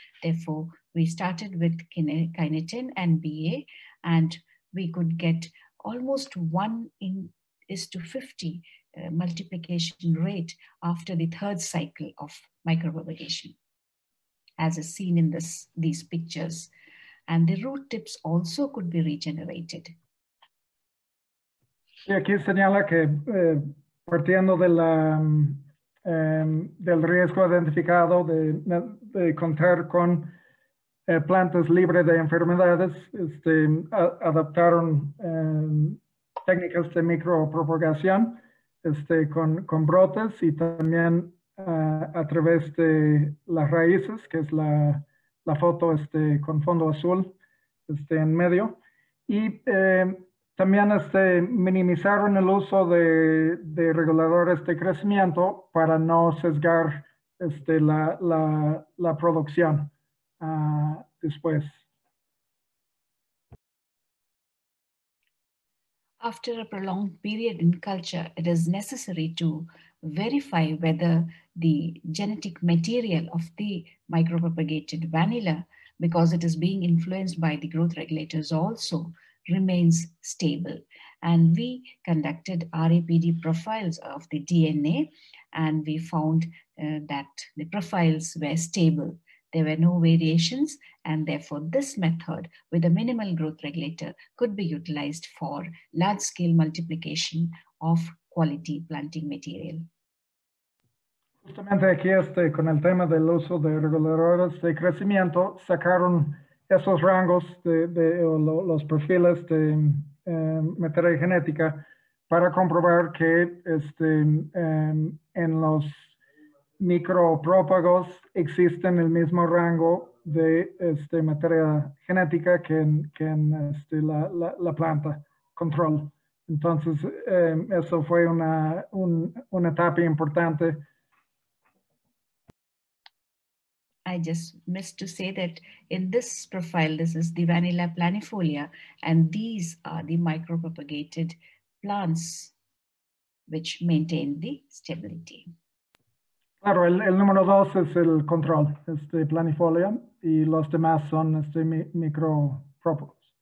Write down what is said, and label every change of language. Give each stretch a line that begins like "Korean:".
English: Therefore, we started with kinetin and BA, and we could get almost 1:50 multiplication rate after the third cycle of micropropagation, as is seen in these pictures. And the root tips also could be regenerated.
Spanish: Y aquí señala que partiendo de la, del riesgo identificado de contar con plantas libres de enfermedades, adaptaron técnicas de micropropagación con brotes y también a través de las raíces, que es la foto con fondo azul en medio. Y también minimizaron el uso de reguladores de crecimiento para no sesgar la producción después.
English: After a prolonged period in culture, it is necessary to verify whether the genetic material of the micropropagated vanilla, because it is being influenced by the growth regulators also, remains stable. And we conducted RAPD profiles of the DNA, and we found that the profiles were stable. There were no variations, and therefore this method with a minimal growth regulator could be utilized for large-scale multiplication of quality planting material.
Spanish: Justamente aquí con el tema del uso de reguladores de crecimiento, sacaron esos rangos los perfiles de materia genética para comprobar que en los micropropagos existen el mismo rango de materia genética que en la planta control. Entonces, eso fue una etapa importante.
English: I just missed to say that in this profile, this is the vanilla planifolia, and these are the micropropagated plants which maintain the stability.
Spanish: Claro, el número dos es el control, planifolia, y los demás son micropropagos.